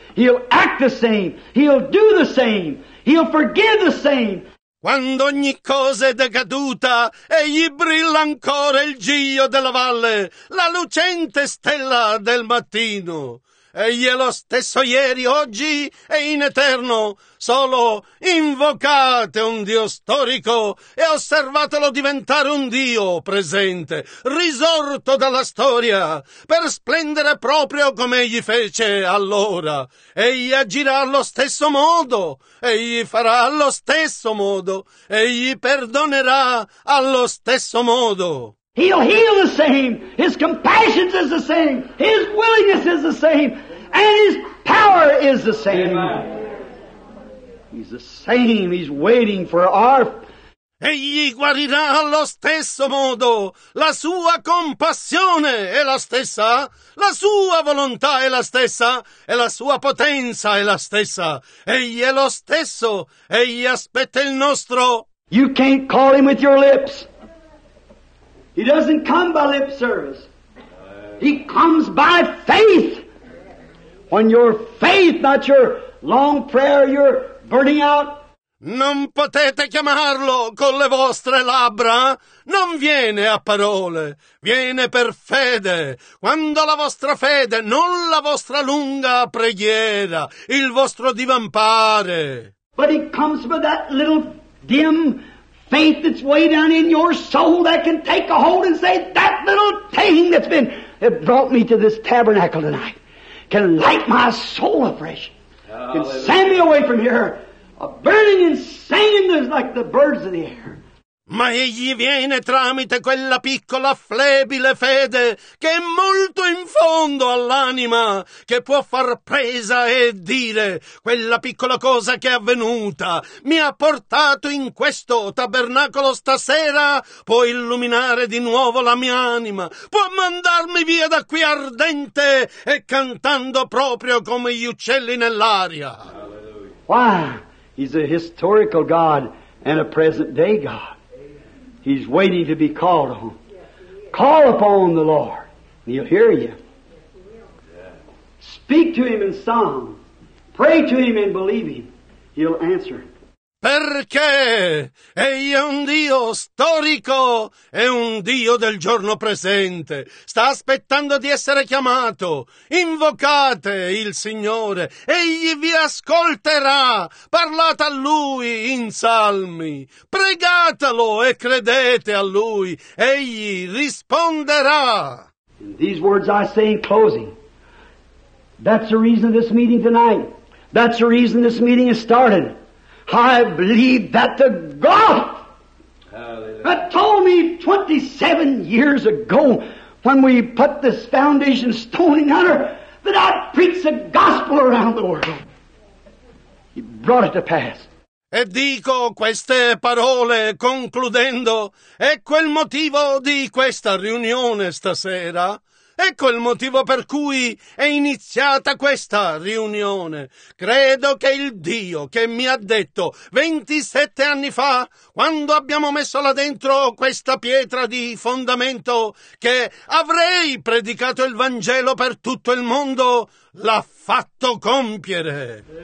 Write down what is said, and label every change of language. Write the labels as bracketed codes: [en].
[en] He'll act the same. He'll do the same. He'll forgive the same. [it] Quando ogni cosa è decaduta, egli brilla ancora il giglio della valle, la lucente stella del mattino. Egli è lo stesso ieri, oggi e in eterno. Solo invocate un Dio storico e osservatelo diventare un Dio presente, risorto dalla storia, per splendere proprio come egli fece allora. Egli agirà allo stesso modo, egli farà allo stesso modo, egli perdonerà allo stesso modo. [en] He'll heal the same, his compassion is the same, his willingness is the same, and his power is the same. Amen. He's the same, he's waiting for our... [it] Egli guarirà allo stesso modo, la sua compassione è la stessa, la sua volontà è la stessa, e la sua potenza è la stessa. Egli è lo stesso, egli aspetta il nostro... [en] You can't call him with your lips. He doesn't come by lip service. He comes by faith. When your faith, not your long prayer, you're burning out. [it] Non potete chiamarlo con le vostre labbra. Non viene a parole. Viene per fede. Quando la vostra fede, non la vostra lunga preghiera, il vostro divampare. [en] But he comes by that little dim faith. faith that's way down in your soul that can take a hold and say, that little thing that's been that brought me to this tabernacle tonight can light my soul afresh. Hallelujah. Can send me away from here a burning and singing like the birds of the air. [it] Ma egli viene tramite quella piccola flebile fede che è molto in fondo all'anima, che può far presa e dire: quella piccola cosa che è avvenuta mi ha portato in questo tabernacolo stasera, può illuminare di nuovo la mia anima, può mandarmi via da qui ardente e cantando proprio come gli uccelli nell'aria. [en] Hallelujah. Wow, he's a historical God and a present day God. He's waiting to be called on. Call upon the Lord, and He'll hear you. Speak to Him in song. Pray to Him in believing. He'll answer. [it] Perché egli è un Dio storico e un Dio del giorno presente. Sta aspettando di essere chiamato. Invocate il Signore. Egli vi ascolterà. Parlate a Lui in salmi. Pregatelo e credete a Lui. Egli risponderà. [en] In these words I say in closing. That's the reason this meeting tonight. That's the reason this meeting is started. I believe that the God Hallelujah. That told me 27 years ago when we put this foundation stone in honor that I'd preach the gospel around the world. He brought it to pass. [it] E dico queste parole concludendo, ecco il motivo di questa riunione stasera. Ecco il motivo per cui è iniziata questa riunione. Credo che il Dio che mi ha detto 27 anni fa, quando abbiamo messo là dentro questa pietra di fondamento, che avrei predicato il Vangelo per tutto il mondo, l'ha fatto compiere.